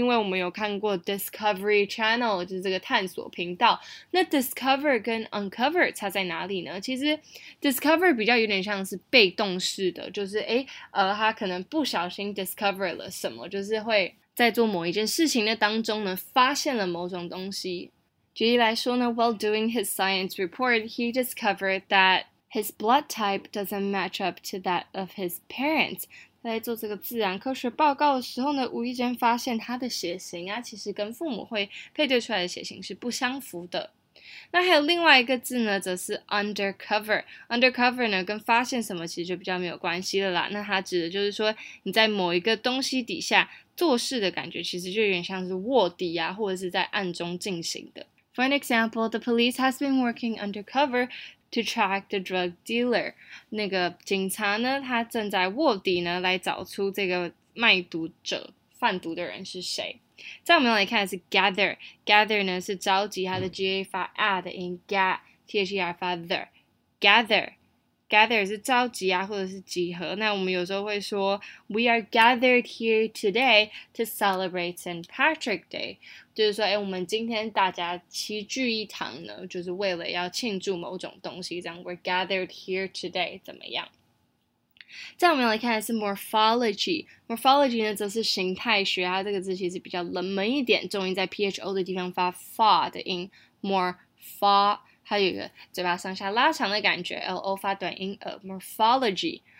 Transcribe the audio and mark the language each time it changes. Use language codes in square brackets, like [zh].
[zh] 大家可能对这个字最不陌生，就是因为我们有看过Discovery Channel， 就是这个探索频道。那discover跟uncover差在哪里呢？其实discover比较有点像是被动式的， 就是他可能不小心discover了什么， 就是会在做某一件事情的当中呢发现了某种东西。 [en] 举例来说呢， while doing his science report, he discovered that his blood type doesn't match up to that of his parents. [zh] 在做这个自然科学报告的时候呢， 无意间发现他的血型啊， 其实跟父母会配对出来的血型是不相符的。那还有另外一个字呢， 则是undercover。Undercover呢， 跟发现什么其实就比较没有关系了啦。那它指的就是说， 你在某一个东西底下 做事的感觉其实就有点像是卧底啊， 或者是在暗中进行的。 [en] For an example, the police has been working undercover to track the drug dealer. [zh] 那个警察呢， 他正在卧底呢， 来找出这个卖毒者， 贩毒的人是谁。再我们来看的是gather。gather呢是召集， 它的GA发A的音， gather，THER发the。 gather， gather是召集啊， 或者是集合。那我们有时候会说， [en] we are gathered here today to celebrate St. [zh] Patrick Day， 就是说我们今天大家齐聚一堂呢， 就是为了要庆祝某种东西， 这样， [en] we're gathered here today， [zh] 怎么样。再我们来看的是morphology。morphology呢， 则是形态学， 它这个字其实比较冷门一点， 重音在PHO的地方发fa的音， morpho， 还有一个嘴巴上下拉长的感觉， LO发短音， morphology。